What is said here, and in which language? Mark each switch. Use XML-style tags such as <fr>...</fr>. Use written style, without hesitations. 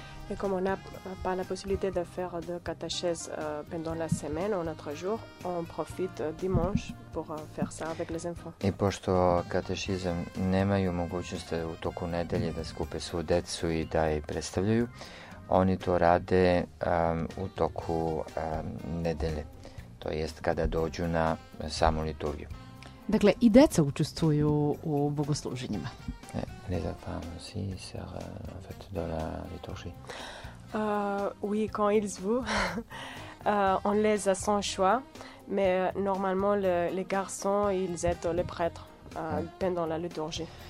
<fr>Et comme on n'a pas la possibilité de faire de catéchèse pendant la semaine ou notre jour, on profite dimanche pour faire ça avec les enfants.</fr> <sr>Et pošto katešizam nemaju mogućnost u toku nedelje da skupe svu decu i da je predstavljaju, oni to rade u toku nedelje, to jest kada dođu na samu liturgiju. Dakle, i deca učestvuju u bogosluženjima.</sr> <fr>Les enfants aussi servent en fait dans la liturgie. Oui, quand ils veulent, on les a sans choix, mais normalement les garçons ils aident les prêtres pendant la liturgie.</fr>